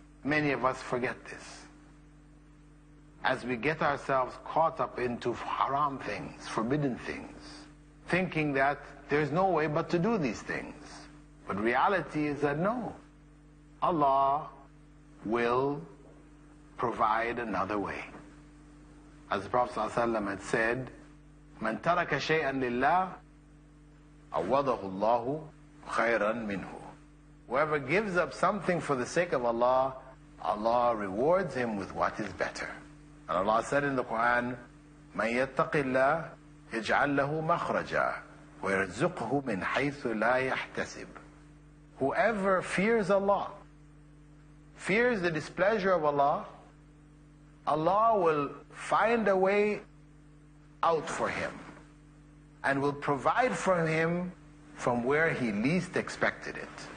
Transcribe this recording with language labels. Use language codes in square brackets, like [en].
[en] Many of us forget this. As we get ourselves caught up into haram things, forbidden things, thinking that there's no way but to do these things. But reality is that no, Allah will provide another way. As the Prophet ﷺ had said, [ar] من ترك شيئا لله عوضه الله خيرا منه. [en] Whoever gives up something for the sake of Allah, Allah rewards him with what is better. And Allah said in the Quran, [ar] من يتق الله يجعل له مخرجا ويرزقه من حيث لا يحتسب. [en] Whoever fears Allah, fears the displeasure of Allah, Allah will find a way out for him and will provide for him from where he least expected it.